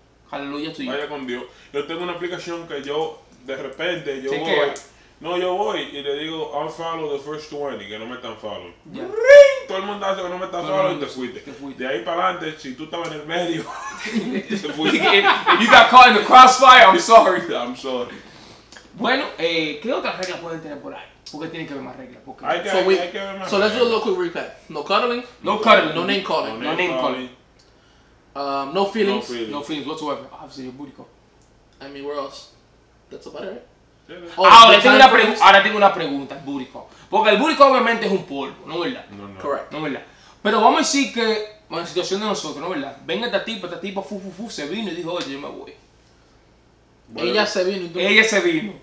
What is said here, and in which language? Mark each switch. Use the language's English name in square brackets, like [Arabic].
[Spanish] Aleluya, estoy. Vaya con Dios. Yo tengo una aplicación que yo de repente yo voy. No, yo voy y le digo, [English] I'll follow the first 20, [Spanish] que no me están following. Yeah. Todo el mundo hace que no me están following y te fuiste. De ahí para adelante, si tú estabas en el medio, te fuiste. [English] If you got caught in the crossfire, I'm sorry. I'm sorry. [Spanish] Bueno, ¿qué otras reglas pueden tener por ahí? Porque tiene que haber más reglas. Porque... Hay que haber más reglas. [English] So let's do a local recap. No cuddling. No cuddling. No name calling. No feelings. No feelings whatsoever. Obviously, your booty call. I mean, where else? That's about it. [Spanish] Ahora tengo una pregunta, el booty call. Porque el booty call obviamente es un polvo, ¿no es verdad? No, correcto. Pero vamos a decir que, bueno, la situación de nosotros, ¿no es verdad? Venga esta tipa, fu, se vino y dijo, oye, yo me voy. Bueno, Ella se vino.